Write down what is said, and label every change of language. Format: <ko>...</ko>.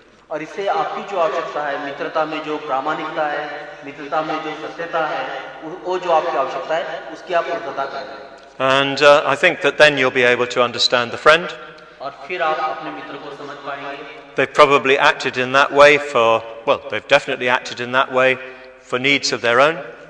<hi>और इससे आपकी जो आवश्यकता है मित्रता में जो प्रामाणिकता है मित्रता में जो सत्यता है वो जो आपकी आवश्यकता है उसकी आप पूर्तता करेंगे.</hi> <en>And I think that then you'll be able to understand the friend.</en> <hi>और फिर आप अपने मित्र को समझ पाएंगे.</hi> <en>They've probably acted in that way for, well, they've definitely acted in that way for needs of their own.</en>